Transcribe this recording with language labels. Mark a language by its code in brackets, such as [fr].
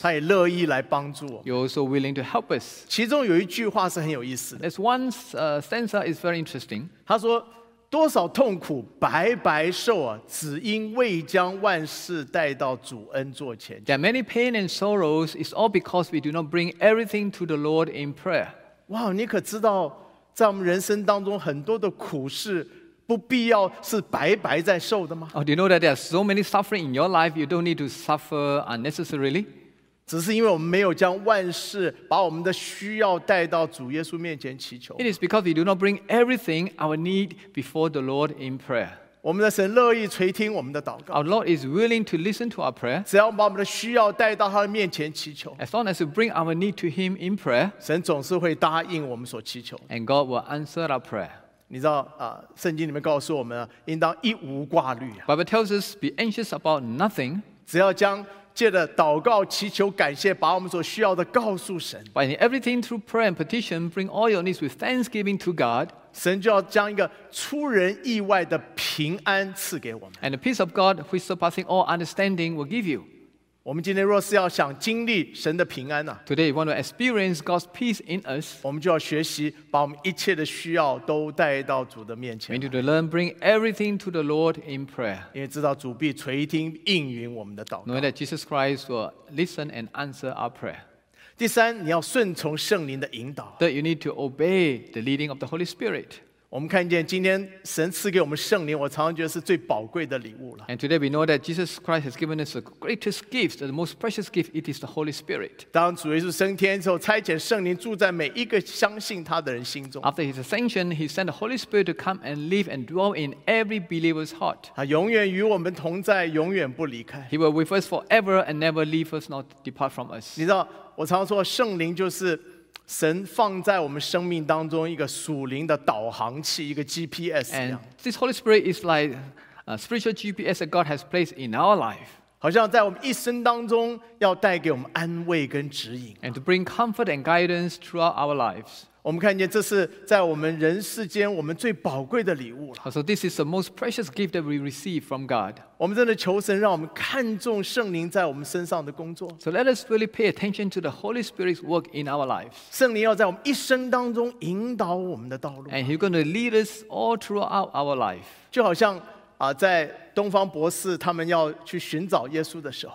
[zh] 他也乐意来帮助我。 [en] You're also willing to help us. [zh] 其中有一句话是很有意思的。 [en] There's one stanza is very interesting. [zh] 他说多少痛苦白白受啊，只因未将万事带到主恩座前。 [en] There are many pain and sorrows, it's all because we do not bring everything to the Lord in prayer. [zh] Wow, 你可知道在我们人生当中很多的苦事不必要是白白在受的吗？ [en] Oh, do you know that there are so many suffering in your life, you don't need to suffer unnecessarily? [zh] 只是因为我们没有将万事把我们的需要带到主耶稣面前祈求。 [en] It is because we do not bring everything, our need, before the Lord in prayer. [zh] 我们的神乐意垂听我们的祷告。 [en] Our Lord is willing to listen to our prayer. [zh] 只要我们把我们的需要带到他的面前祈求。 [en] As long as we bring our need to him in prayer, [zh] 神总是会答应我们所祈求。 [en] And God will answer our prayer. [zh] 你知道，圣经里面告诉我们，应当一无挂虑。 [en] Bible tells us be anxious about nothing. [zh] 只要将借着祷告祈求感谢把我们所需要的告诉神。 [en] By everything through prayer and petition, bring all your needs with thanksgiving to God. [zh] 神就要将一个出人意外的平安赐给我们。 [en] And the peace of God, which surpassing all understanding, will give you. [zh] 我们今天若是要想经历神的平安啊。 [en] Today, if we want to experience God's peace in us, [zh] 我们就要学习把我们一切的需要都带到主的面前。 [en] We need to learn bring everything to the Lord in prayer. [zh] 因为知道主必垂听应允我们的祷告。 [en] Knowing that Jesus Christ will listen and answer our prayer. [zh] 第三，你要顺从圣灵的引导。 [en] Third, you need to obey the leading of the Holy Spirit. [zh] 我们看见今天神赐给我们圣灵，我常常觉得是最宝贵的礼物了。 [en] And today we know that Jesus Christ has given us the greatest gift, the most precious gift. It is the Holy Spirit. [zh] 当主耶稣升天之后，差遣圣灵住在每一个相信他的人心中。 [en] After his ascension, he sent the Holy Spirit to come and live and dwell in every believer's heart. [zh] 他永远与我们同在，永远不离开。 [en] He will be with us forever and never leave us nor depart from us. [zh] 你知道。我常说圣灵就是神放在我们生命当中一个属灵的导航器，一个 GPS 一样。 [en] And this Holy Spirit is like a spiritual GPS that God has placed in our life. [zh] 好像在我们一生当中要带给我们安慰跟指引。 [en] And to bring comfort and guidance throughout our lives. [zh] 我们看见这是在我们人世间我们最宝贵的礼物了。 [en] So this is the most precious gift that we receive from God. [zh] 我们真的求神让我们看重圣灵在我们身上的工作。 [en] So let us really pay attention to the Holy Spirit's work in our lives. [zh] 圣灵要在我们一生当中引导我们的道路。 [en] And he's going to lead us all throughout our life. [zh] 就好像在东方博士他们要去寻找耶稣的时候。